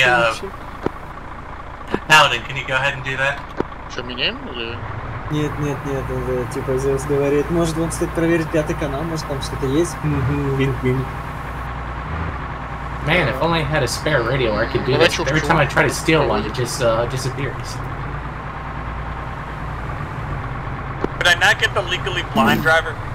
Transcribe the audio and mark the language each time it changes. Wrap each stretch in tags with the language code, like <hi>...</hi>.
<en>Paladin, can you go ahead and do that?</en> <ru>Что, меня или... Нет, нет, нет, он же, типа, Зевс говорит, может, вам стоит проверить пятый канал, может, там что-то есть?</ru> <en>Man, if only I had a spare radio, I could do this. Every time I try to steal one, it just, disappears. Could I not get the legally blind driver?</en>